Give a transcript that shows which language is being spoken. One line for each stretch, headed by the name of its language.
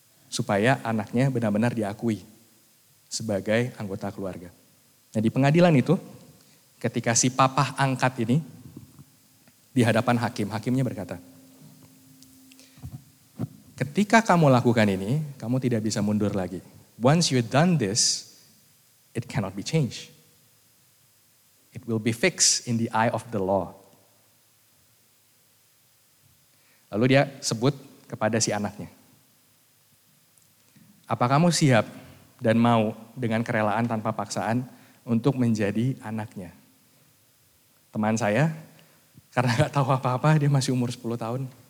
Indonesian: Supaya anaknya benar-benar diakui sebagai anggota keluarga. Nah di pengadilan itu, ketika si papa angkat ini, di hadapan hakim, hakimnya berkata, ketika kamu lakukan ini, kamu tidak bisa mundur lagi.
English: Once you've done this, it cannot be changed. It will be fixed in the eye of the law.
Indonesian: Lalu dia sebut kepada si anaknya, apa kamu siap dan mau dengan kerelaan tanpa paksaan untuk menjadi anaknya? Teman saya, karena gak tahu apa-apa, dia masih umur 10 tahun.